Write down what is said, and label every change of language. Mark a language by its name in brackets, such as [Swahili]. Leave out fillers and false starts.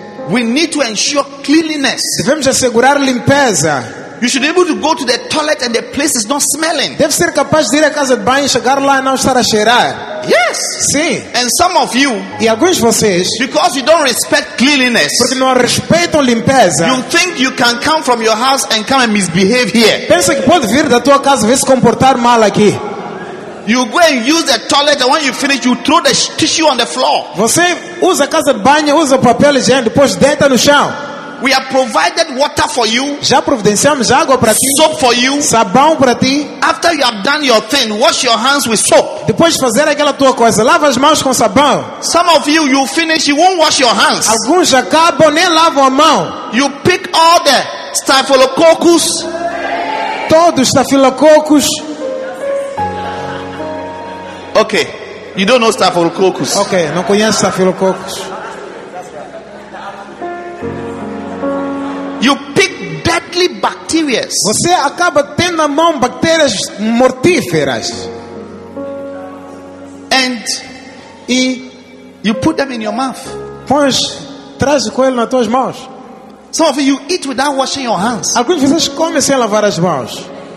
[English] We need to ensure cleanliness. [Portuguese] Devemos assegurar limpeza. [English] You should be able to go to the toilet and the place is not smelling. [Portuguese] Deve ser capaz de ir à casa de banho e chegar lá e não estar a cheirar. [English] Yes. [Portuguese] Sim. [English] And some of you, [Portuguese] e alguns de vocês, [English] because you don't respect cleanliness, [Portuguese] porque não respeitam limpeza, [English] you think you can come from your house and come and misbehave here. [Portuguese] Pensa que pode vir da tua casa e se comportar mal aqui. [English] You go and use the toilet and when you finish, you throw the tissue on the floor. [Portuguese] Você usa a casa de banho, usa papel higiênico, depois deita no chão. [English] We have provided water for you. [Portuguese] Já providenciamos água para ti. [English] Soap for you. [Portuguese] Sabão para ti. [English] After you have done your thing, wash your hands with soap. [Portuguese] Depois de fazer aquela tua coisa, lava as mãos com sabão. [English] Some of you, you finish, you won't wash your hands. [Portuguese] Alguns acabam nem lavam a mão. [English] You pick all the staphylococcus. [Portuguese] Todos staphylococcus. [English] Okay, you don't know staphylococcus. [Portuguese] Okay, não conhece staphylococcus. [English] You pick deadly bacteria. [Portuguese] Você acaba tendo na mão bactérias mortíferas. [English] And you put them in your mouth. [Portuguese] Pões, traz com ele nas tuas mãos. [English] Some of you eat without washing your hands. [Portuguese] Alguns de vocês comem sem lavar as mãos.